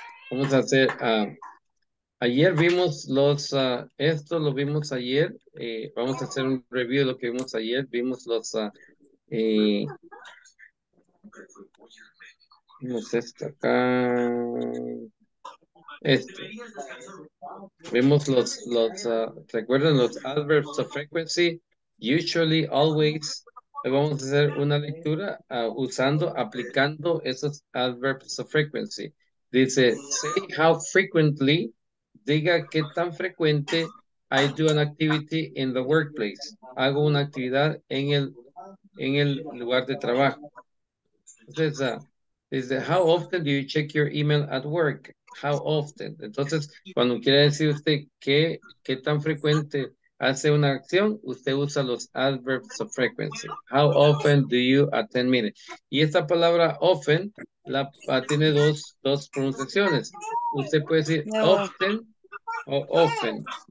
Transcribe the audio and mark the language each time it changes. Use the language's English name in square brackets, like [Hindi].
[Spanish] Vamos a hacer, ayer vimos los, esto lo vimos ayer, vamos a hacer un review de lo que vimos ayer, vimos los, vimos esto acá, esto, vimos los, recuerden los adverbs of frequency, usually, always, vamos a hacer una lectura usando, aplicando esos adverbs of frequency. [English] Dice, say how frequently, [Spanish] diga qué tan frecuente, [English] I do an activity in the workplace. [Spanish] Hago una actividad en el lugar de trabajo. Entonces, dice, [English] how often do you check your email at work? How often? [Spanish] Entonces, cuando quiere decir usted qué, qué tan frecuente hace una acción, usted usa los adverbs of frequency. [English] How often do you attend meetings? [Spanish] Y esta palabra often la, tiene dos pronunciaciones. Usted puede decir often o often.